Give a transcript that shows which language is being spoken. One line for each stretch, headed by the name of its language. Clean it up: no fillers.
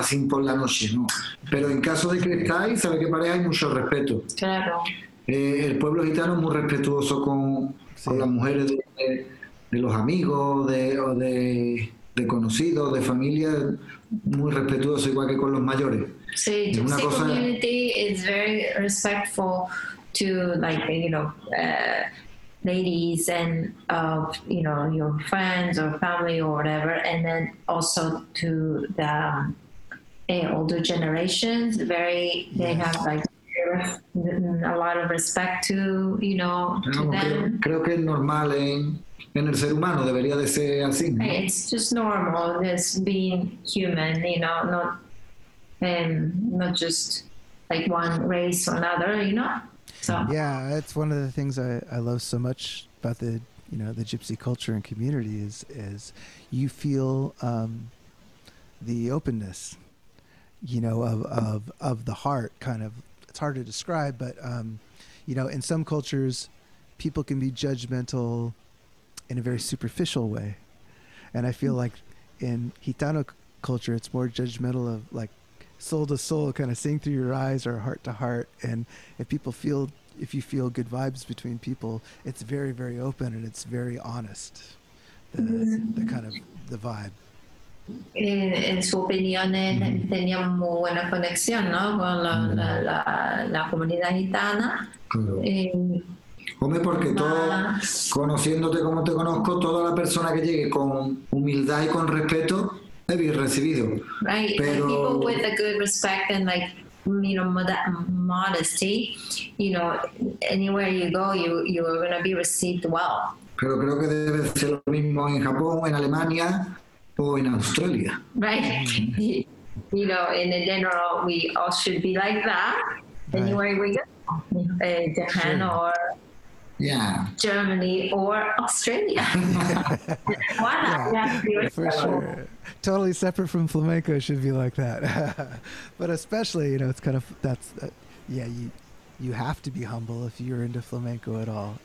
Spanish: Así por la noche, ¿no? Pero en caso de que estáis, sabe que pareja, hay mucho respeto. Claro. El pueblo gitano es muy respetuoso con las mujeres de los amigos, de conocidos, de familia, muy respetuoso, igual que con los mayores. Sí, la
English: community is very respectful to, like, you know, ladies and of, you know, your friends or family or whatever, and then also to the older generations. A lot of respect to, you know, to them.
Spanish: Creo que es normal en el ser humano, debería de ser así, ¿no?
English: It's just normal, this being human, you know, not just like one race or another, you know? So. Yeah, it's one of the things I love so much about the, you know, the gypsy culture and community is you feel the openness, you know, of the heart, kind of. It's hard to describe, but you know, in some cultures people can be judgmental in a very superficial way, and I feel like in Gitano culture it's more judgmental of like soul to soul, kind of seeing through your eyes or heart to heart. And if you feel good vibes between people, it's very, very open and it's very honest, the kind of the vibe.
Spanish: En su opinión, tenía muy buena conexión, ¿no? Con la comunidad gitana. Claro. Hombre, porque conociéndote como te conozco, toda la persona que llegue con humildad y con respeto es bien recibido.
English: Right.
Spanish: Pero...
English: people with a good respect and, like, you know, modesty, you know, anywhere you go, you are going to be received well.
Spanish: Pero creo que debe ser lo mismo en Japón, en Alemania. O en Australia.
English: Right. You know, in general, we all should be like that. Right. Anywhere we go. Japan, sure. Or yeah. Germany or Australia. Why not? Yeah, for sure. Totally separate from flamenco should be like that. But especially, you know, it's kind of, you have to be humble if you're into flamenco at all.